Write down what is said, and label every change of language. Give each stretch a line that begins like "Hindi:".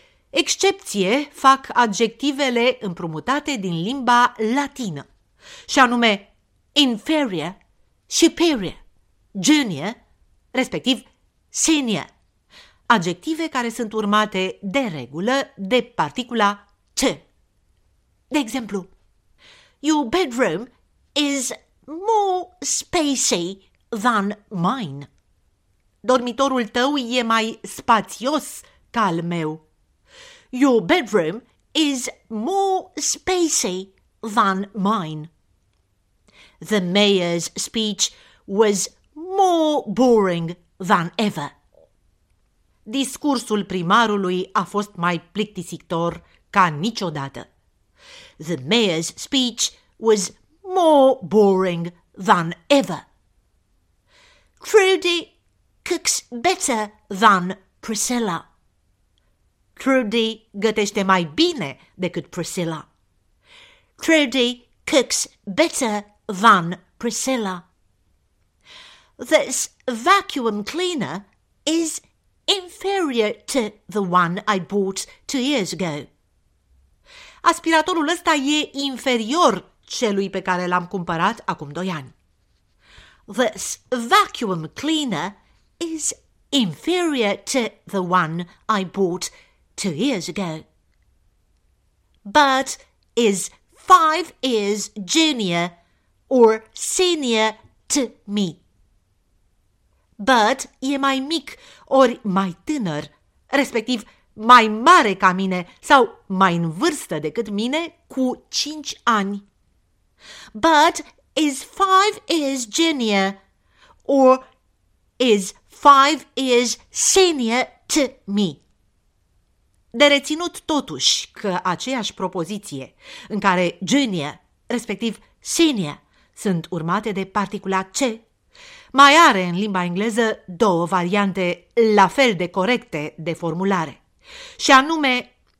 Romanian: Excepție fac adjectivele împrumutate din limba latină, și anume inferior, superior, junior, respectiv senior, adjective care sunt urmate de regulă de particula C. De exemplu,
English: your bedroom is more spacey than mine.
Romanian: Dormitorul tău e mai spațios ca al meu.
English: Your bedroom is more spacey than mine. The mayor's speech was more boring than ever.
Romanian: Discursul primarului a fost mai plictisitor ca niciodată.
English: The mayor's speech was more boring than ever. Trudy cooks better than Priscilla.
Romanian: Trudy gătește mai bine decât Priscilla.
English: Trudy cooks better than Priscilla. This vacuum cleaner is inferior to the one I bought 2 years ago.
Romanian: Aspiratorul ăsta e inferior celui pe care l-am cumpărat acum 2 ani.
English: This vacuum cleaner is inferior to the one I bought 2 years ago. Bert is 5 years junior or senior to me.
Romanian: but e mai mic ori mai tânăr, respectiv mai mare ca mine sau mai în vârstă decât mine cu 5 ani.
English: But is 5 years junior or is 5 years senior to me.
Romanian: De reținut totuși că aceeași propoziție, în care junior, respectiv senior, sunt urmate de particula C, mai are în limba engleză două variante la fel de corecte de formulare, și anume